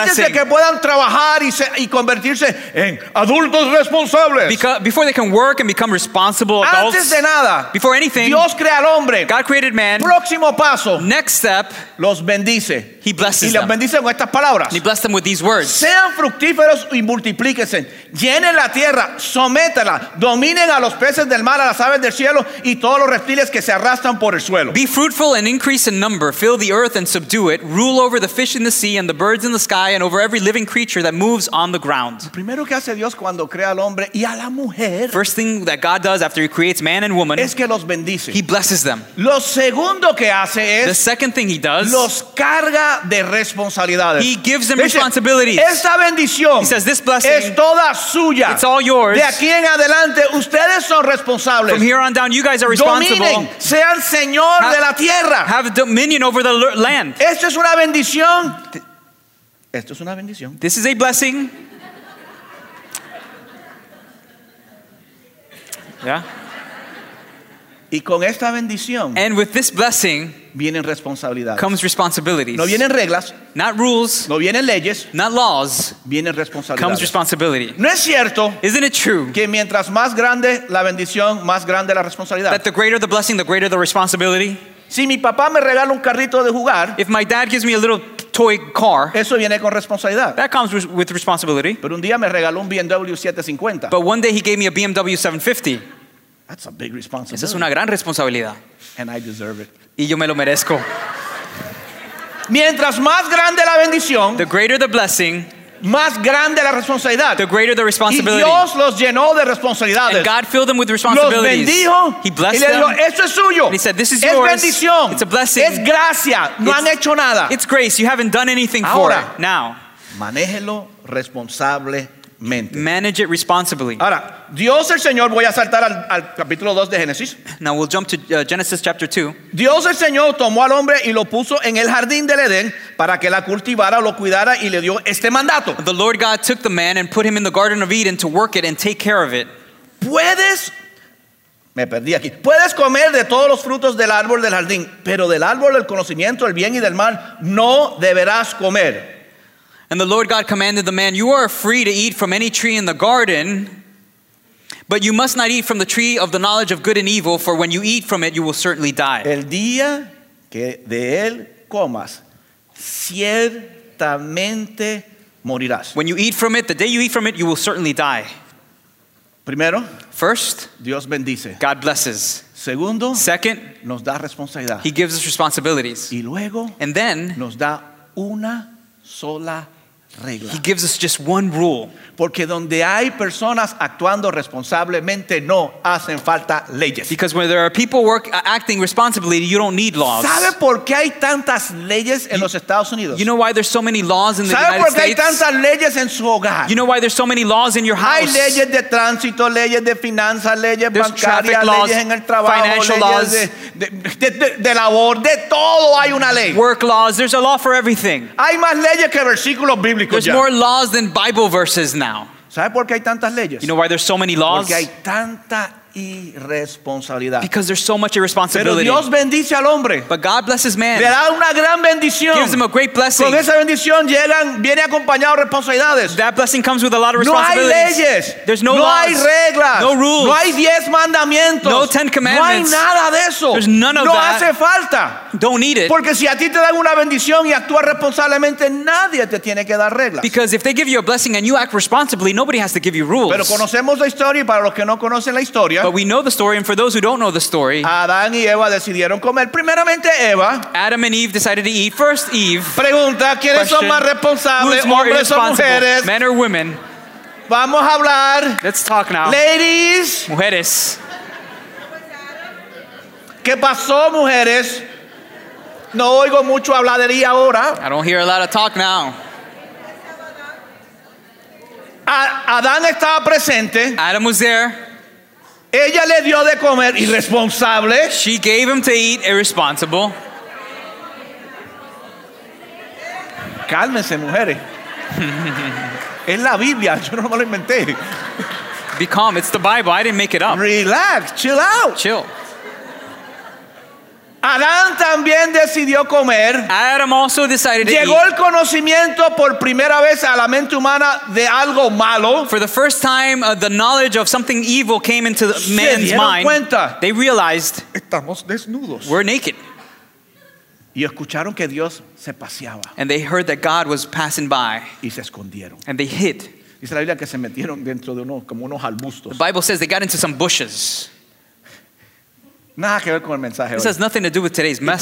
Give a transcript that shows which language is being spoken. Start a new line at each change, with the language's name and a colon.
Spanish: Antes de que puedan trabajar y convertirse en adultos responsables.
English: Before they can work and become responsible adults.
Spanish: Antes de nada.
English: Before anything.
Spanish: Dios crea al hombre.
English: God created man.
Spanish: Próximo paso.
English: Next step.
Spanish: Los bendice.
English: He blesses them.
Spanish: Y los bendice con estas palabras.
English: He blessed them with these words.
Spanish: Sean fructíferos y multiplíquense. Llenen la tierra, sométela, dominen a los peces del mar, a las aves del cielo y todos los reptiles que se arrastran por el suelo.
English: Be fruitful and increase in number, fill the earth and subdue it, rule over the fish in the sea and the birds in the sky and over every living creature that moves on the ground.
Spanish: Primero que hace Dios cuando crea al hombre y a la mujer.
English: First thing that God does after he creates man and woman.
Spanish: Es que los bendice.
English: He blesses them.
Spanish: Lo segundo que hace es.
English: The second thing he does.
Spanish: Los carga de responsabilidades.
English: He gives them responsibilities.
Spanish: Esta bendición.
English: He says this blessing.
Spanish: Es toda suya.
English: It's all yours.
Spanish: De aquí en adelante, ustedes son responsables.
English: From here on down, you guys are responsible.
Spanish: Dominen, sean señor de la tierra.
English: Have dominion over the land.
Spanish: Esto es una bendición. Esto es una bendición.
English: This is a blessing. Yeah.
Spanish: Y con esta bendición.
English: And with this blessing.
Spanish: Vienen responsabilidades.
English: Comes responsibilities.
Spanish: No vienen reglas.
English: Not rules.
Spanish: No vienen leyes.
English: Not laws.
Spanish: Vienen responsabilidades.
English: Comes responsibility.
Spanish: ¿No es cierto?
English: Isn't it true?
Spanish: Que mientras más grande la bendición, más grande la responsabilidad.
English: That the greater the blessing, the greater the responsibility.
Spanish: Si mi papá me regala un carrito de jugar.
English: If my dad gives me a little toy car.
Spanish: Eso viene con responsabilidad.
English: That comes with responsibility.
Spanish: Pero un día me regaló un BMW 750.
English: But one day he gave me a BMW 750. That's a big responsibility.
Spanish: Esa es una gran responsabilidad.
English: And I deserve it.
Spanish: Y yo me lo merezco. Mientras más grande la bendición,
English: the greater the blessing,
Spanish: más grande la responsabilidad,
English: the greater the responsibility.
Spanish: Y Dios los llenó de responsabilidades.
English: And God filled them with responsibilities.
Spanish: Los bendijo.
English: He blessed
Spanish: y le dijo,
English: them.
Spanish: Esto es suyo.
English: And he said, this is
Spanish: es
English: yours.
Spanish: Bendición.
English: It's a blessing.
Spanish: Es gracia. No han hecho nada.
English: It's grace. You haven't done anything
Spanish: ahora,
English: for it. Now,
Spanish: manéjelo responsablemente.
English: Manage it responsibly.
Spanish: Ahora, Dios el Señor, voy a saltar al capítulo 2 de Génesis.
English: Now we'll jump to Genesis chapter 2.
Spanish: Dios el Señor tomó al hombre y lo puso en el jardín del Edén para que la cultivara, lo cuidara y le dio este mandato.
English: The Lord God took the man and put him in the Garden of Eden to work it and take care of it.
Spanish: Puedes, me perdí aquí. Puedes comer de todos los frutos del árbol del jardín, pero del árbol del conocimiento, el bien y del mal, no deberás comer.
English: And the Lord God commanded the man, you are free to eat from any tree in the garden, but you must not eat from the tree of the knowledge of good and evil, for when you eat from it, you will certainly die.
Spanish: El día que de él comas, ciertamente morirás.
English: When you eat from it, the day you eat from it, you will certainly die.
Spanish: Primero,
English: first,
Spanish: Dios bendice.
English: God blesses.
Spanish: Segundo,
English: second,
Spanish: nos da responsabilidad.
English: He gives us responsibilities.
Spanish: Y luego,
English: and then,
Spanish: nos da una sola regla.
English: He gives us just one rule.
Spanish: Porque donde hay personas actuando responsablemente no hacen falta leyes.
English: Because where there are people acting responsibly, you don't need laws.
Spanish: ¿Sabe por qué hay tantas leyes en los Estados Unidos?
English: You know why there's so many laws in the United States?
Spanish: ¿Sabe por qué hay tantas leyes en su hogar?
English: You know why there's so many laws in your house?
Spanish: Hay leyes de tránsito, leyes de finanzas, leyes bancarias, leyes en el trabajo,
English: financial laws,
Spanish: de labor, de todo hay una ley.
English: Work laws, there's a law for everything.
Spanish: Hay más leyes que versículos bíblicos.
English: There's more laws than Bible verses. Now,
Spanish: ¿sabe por qué hay tantas leyes?
English: You know why there's so many laws?
Spanish: Porque hay tanta irresponsabilidad.
English: Because there's so much irresponsibility.
Spanish: Pero Dios bendice al hombre.
English: But God blesses man.
Spanish: Le da una gran bendición.
English: Gives him a great blessing.
Spanish: Con esa bendición viene acompañado responsabilidades.
English: That blessing comes with a lot of responsibilities.
Spanish: No hay leyes.
English: There's no laws.
Spanish: No hay reglas.
English: No rules.
Spanish: No hay 10 mandamientos.
English: No 10 commandments.
Spanish: No hay nada de eso.
English: There's none of
Spanish: no
English: that.
Spanish: No hace falta.
English: Don't need it.
Spanish: Porque si a ti te dan una bendición y actúas responsablemente, nadie te tiene que dar reglas.
English: Because if they give you a blessing and you act responsibly, nobody has to give you rules.
Spanish: Pero conocemos la historia y para los que no conocen la historia.
English: But we know the story, and for those who don't know the story,
Spanish: Adán y Eva decidieron comer. Primeramente Eva,
English: Adam and Eve decided to eat. First Eve.
Spanish: Pregunta, ¿quiénes son más responsables, hombres o mujeres?
English: Men or women?
Spanish: Vamos a hablar.
English: Let's talk now. Ladies.
Spanish: Mujeres. ¿Qué pasó, mujeres? No oigo mucho habladería ahora.
English: I don't hear a lot of talk now.
Spanish: Adán estaba presente.
English: Adam was there.
Spanish: Ella le dio de comer irresponsable.
English: She gave him to eat irresponsible.
Spanish: Cálmense, mujeres. Es la Biblia, yo no me lo inventé.
English: Be calm, it's the Bible, I didn't make it up. Relax, chill out. Chill.
Spanish: Adán también decidió comer.
English: Adam also decided
Spanish: Llegó
English: to eat.
Spanish: Llegó el conocimiento por primera vez a la mente humana de algo malo.
English: For the first time, the knowledge of something evil came into the man's mind.
Spanish: Cuenta.
English: They realized
Spanish: Estamos desnudos.
English: We're naked.
Spanish: Y escucharon que Dios se paseaba.
English: And they heard that God was passing by.
Spanish: Y se escondieron.
English: And they hid.
Spanish: Dice la Biblia que se metieron dentro de unos como unos arbustos.
English: The Bible says they got into some bushes.
Spanish: Nada que ver con el mensaje.
English: This has nothing to do with today's message.